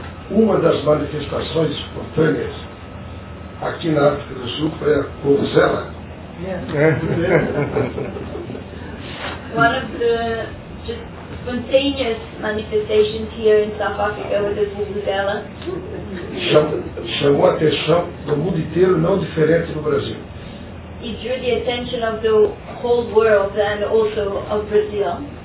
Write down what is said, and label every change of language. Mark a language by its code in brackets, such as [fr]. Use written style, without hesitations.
[pt] Uma das manifestações espontâneas aqui na África do Sul foi a Vuvuzela. [en] One of the just spontaneous manifestations here in South Africa was the Vuvuzela. [pt] Chamou a atenção do mundo inteiro, não diferente do Brasil. [en] It drew the attention of the whole world and also of Brazil.